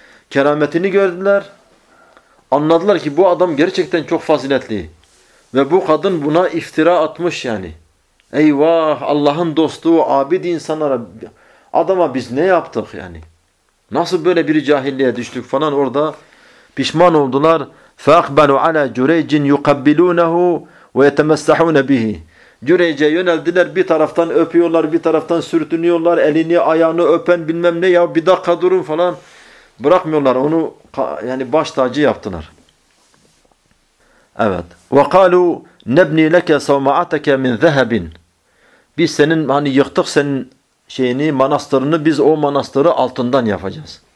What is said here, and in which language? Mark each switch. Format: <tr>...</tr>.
<tr>Kerametini gördüler. Anladılar ki bu adam gerçekten çok faziletli. Ve bu kadın buna iftira atmış yani. Eyvah Allah'ın dostu, abid insanlara. Adama biz ne yaptık yani? Nasıl böyle bir cahilliğe düştük falan orada. Pişman oldular.</tr> <ar>فَاَقْبَلُوا عَلَى جُرَيْجٍ يُقَبِّلُونَهُ وَيَتَمَسَّحُونَ بِهِ</ar> <tr>Cüreyce yöneldiler. Bir taraftan öpüyorlar, bir taraftan sürtünüyorlar. Elini, ayağını öpen bilmem ne ya bir dakika durun falan. Bırakmıyorlar onu yani baş tacı yaptılar. Evet.</tr> <ar>Ve kalu nebni leke savmaateke min zehebin.</ar> <tr>Biz senin hani yıktık senin şeyini manastırını biz o manastırı altından yapacağız.</tr>